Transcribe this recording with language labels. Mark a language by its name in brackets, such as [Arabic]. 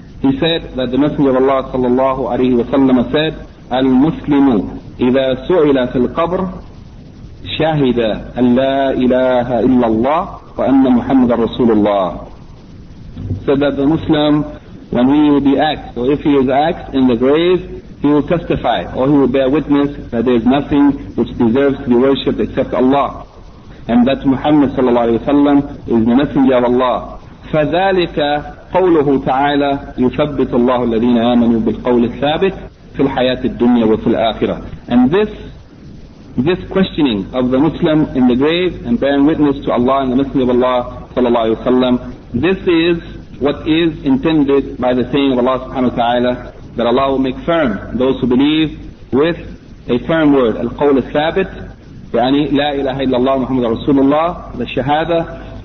[English] He said that the Messenger of Allah sallallahu alayhi wa sallam said, [Arabic] Al-Muslimu إِذَا سُعِلَ فِي الْقَبْرِ شَهِدَ أَنْ لَا إِلَهَ إِلَّا اللَّهِ وَأَنَّ مُحَمَّدَ رَسُولُ اللَّهِ. [English] Said that the Muslim, when he will be asked, or if he is asked in the grave, he will testify, or he will bear witness that there is nothing which deserves to be worshipped except Allah, and that Muhammad sallallahu alayhi wa sallam is the Messenger of Allah. [Arabic] فَذَلِكَ قَوْلُهُ تَعَالَى يُثَبِّتُ اللَّهُ الَّذِينَ آمَنُوا بِالْقَوْلِ الثَّابِتِ في الحياة الدنيا وفي الآخرة. [English] And this questioning of the Muslim in the grave and bearing witness to Allah and the Messenger of Allah sallallahu alayhi wa sallam, this is what is intended by the saying of Allah subhanahu wa ta'ala, that Allah will make firm those who believe with a firm word, al-qawl al-thabit, [Arabic] يعني لا إله إلا الله محمد رسول الله, [English] the shahada.